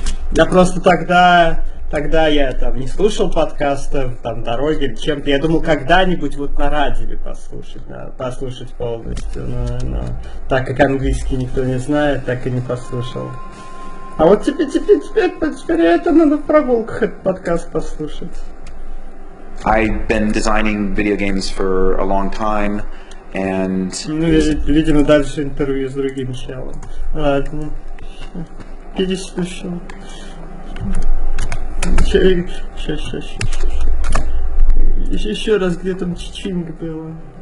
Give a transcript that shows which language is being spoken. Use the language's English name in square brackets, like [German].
[Russian] Я просто тогда я там не слушал подкастов, там, дороги или чем-то. Я думал, когда-нибудь вот на радио послушать полностью. Но так как английский никто не знает, так и не послушал. А вот теперь это надо в прогулках этот подкаст послушать. [English] I've been designing video games for a long time, and... [Russian] Ну, видимо, дальше интервью с другим челом. Ладно. Переслушал. Сейчас. Еще раз, где там чичинг было.